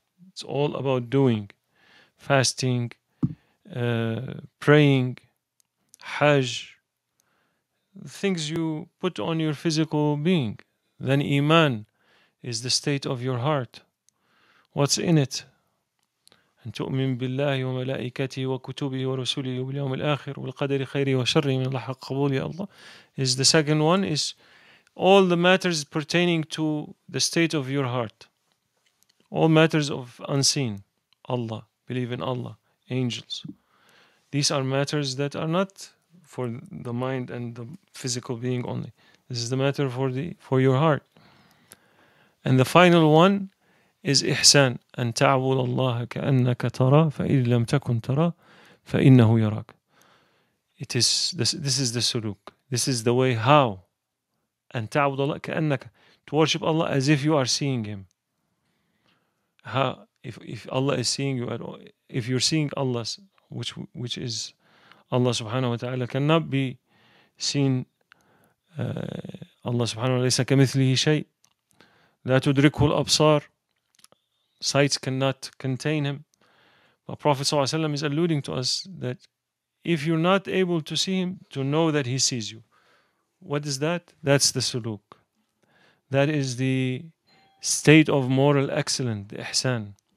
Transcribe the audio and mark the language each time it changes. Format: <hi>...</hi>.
<en>It's all about doing, fasting, praying, Hajj, things you put on your physical being. Then Iman is the state of your heart. What's in it?</en> <ar>أن تؤمن بالله وملائكته وكتبه ورسله واليوم الآخر والقدر خيره وشره من لحق قبول يا الله.</ar> <en>Is the second one is all the matters pertaining to the state of your heart. All matters of unseen. Allah. Believe in Allah. Angels. These are matters that are not for the mind and the physical being only. This is the matter for your heart. And the final one is ihsan.</en> <ar>أن تعبد الله كأنك ترى فإن لم تكن ترى فإنه يراك.</ar> <en>It is this is the suluk. This is the way how.</en> <ar>أن تعبد الله كأنك,</ar> <en>to worship Allah as if you are seeing Him. How, if Allah is seeing you at all, if you're seeing Allah, which is Allah subhanahu wa ta'ala, cannot be seen.</en> <ar>Allah subhanahu wa ta'ala ليس كمثله شيء لا تدركه الأبصار.</ar> <en>Sights cannot contain Him. But Prophet sallallahu alaihi wasallam is alluding to us that if you're not able to see Him, to know that He sees you. What is that? That's the suluk. That is the state of moral excellence, the ihsan.</en>